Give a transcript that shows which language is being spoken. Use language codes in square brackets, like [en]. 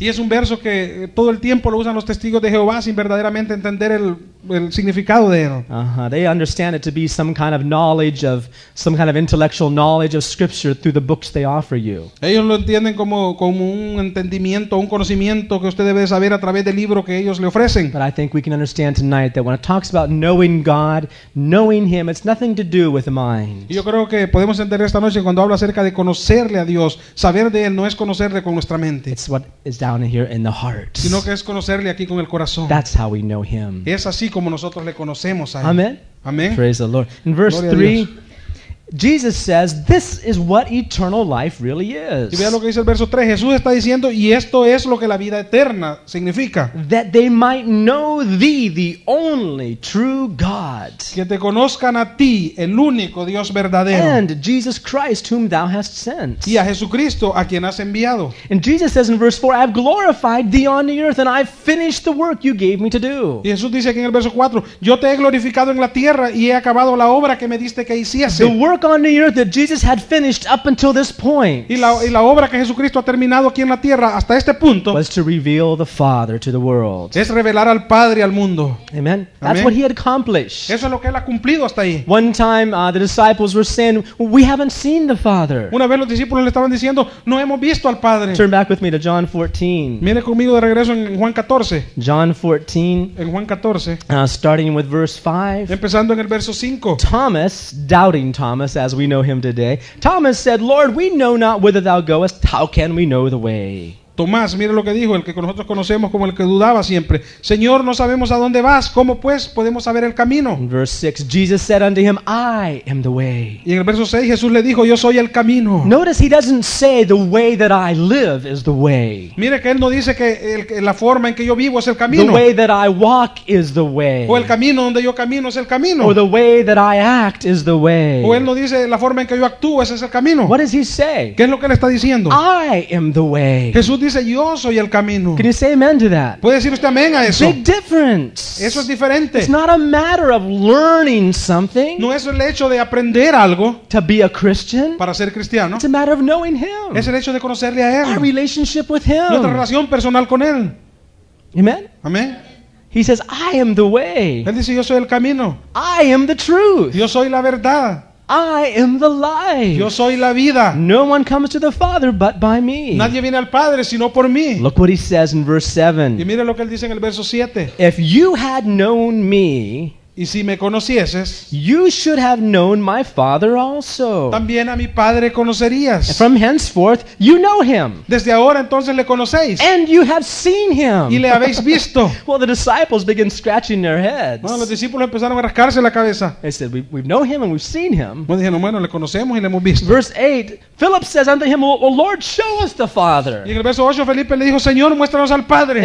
[es] Y es un verso que todo el tiempo lo usan los testigos de Jehová sin verdaderamente entender el significado de él. [en] They understand it to be some kind of knowledge of some kind of intellectual knowledge of Scripture through the books they offer you. [es] Ellos lo entienden como un entendimiento, un conocimiento que usted debe saber a través del libro que ellos le ofrecen. [en] But I think we can understand tonight that when it talks about knowing God, knowing Him, it's nothing to do with mind. [es] Yo creo que podemos entender esta noche cuando habla acerca de conocerle a Dios, saber de él no es conocerle con nuestra mente. [en] It's what is down here in the heart. [es] Sino que es conocerle aquí con el corazón. [en] That's how we know Him. [es] Es así como nosotros le conocemos a él. [en] Amen. [es] Amen. [en] Praise the Lord. In verse 3, Jesus says, "This is what eternal life really is." [es] Y vea lo que dice el verso 3. Jesús está diciendo, y esto es lo que la vida eterna significa. [en] That they might know thee, the only true God. [es] Que te conozcan a ti, el único Dios verdadero. [en] And Jesus Christ, whom thou hast sent. [es] Y a Jesucristo, a quien has enviado. [en] And Jesus says in verse 4, "I have glorified thee on the earth, and I've finished the work you gave me to do." [es] Y Jesús dice aquí en el verso 4, "Yo te he glorificado en la tierra y he acabado la obra que me diste que hiciese." [en] The work on the earth that Jesus had finished up until this point. [es] Y la obra que Jesucristo ha terminado aquí en la tierra hasta este punto. [en] Was to reveal the Father to the world. [es] Es revelar al Padre al mundo. [en] Amen. That's what he had accomplished. [es] Eso es lo que él ha cumplido hasta ahí. [en] One time the disciples were saying, "We haven't seen the Father." [es] Una vez los discípulos le estaban diciendo, "No hemos visto al Padre." [en] Turn back with me to John 14. [es] Mire conmigo de regreso en Juan 14. [en] John 14. [es] En Juan 14. [en] Starting with verse 5. [es] Empezando en el verso 5. [en] Thomas, doubting Thomas as we know him today. Thomas said, "Lord, we know not whither thou goest. How can we know the way?" [es] Tomás, mire lo que dijo, el que nosotros conocemos como el que dudaba siempre. "Señor, no sabemos a dónde vas. ¿Cómo pues podemos saber el camino?" [en] In verse 6, Jesus said unto him, "I am the way." [es] Y en el verso 6, Jesús le dijo, "Yo soy el camino." [en] Notice he doesn't say the way that I live is the way. [es] Mire que él no dice que la forma en que yo vivo es el camino. [en] The way that I walk is the way. [es] O el camino donde yo camino es el camino. [en] Or the way that I act is the way. [es] O él no dice la forma en que yo actúo, ese es el camino. [en] What does he say? [es] ¿Qué es lo que él está diciendo? [en] I am the way. [es] Jesús dice, yo soy el camino. [en] Can you say amen to that? [es] ¿Puede decir usted amén a eso? [en] Big difference. [es] Eso es diferente. [en] It's not a matter of learning something. [es] No es el hecho de aprender algo. [en] To be a Christian. [es] Para ser cristiano. [en] It's a matter of knowing him. [es] Es el hecho de conocerle a él. [en] Our relationship with him. [es] Nuestra relación personal con él. [en] Amen. [es] Amén. [en] He says, "I am the way." [es] Él dice, yo soy el camino. [en] "I am the truth." [es] Yo soy la verdad. [en] "I am the life." [es] Yo soy la vida. [en] "No one comes to the Father but by me." [es] Nadie viene al Padre sino por mí. [en] Look what he says in verse 7. [es] Y mire lo que él dice en el verso 7. [en] "If you had known me," [es] y si me conocieses, [en] "you should have known my Father also." [es] También a mi Padre conocerías. [en] "From henceforth you know him." [es] Desde ahora entonces le conocéis. [en] "And you have seen him." [es] Y le habéis visto. [en] Well, the disciples begin scratching their heads. [es] Bueno, los discípulos empezaron a rascarse la cabeza. [en] They said, "We've known him and we've seen him." [es] Bueno, dijeron, bueno, le conocemos y le hemos visto. [en] Verse 8, Philip says unto him, "Well, Lord, show us the Father." [es] Y en el verso 8, Felipe le dijo, "Señor, muéstranos al Padre."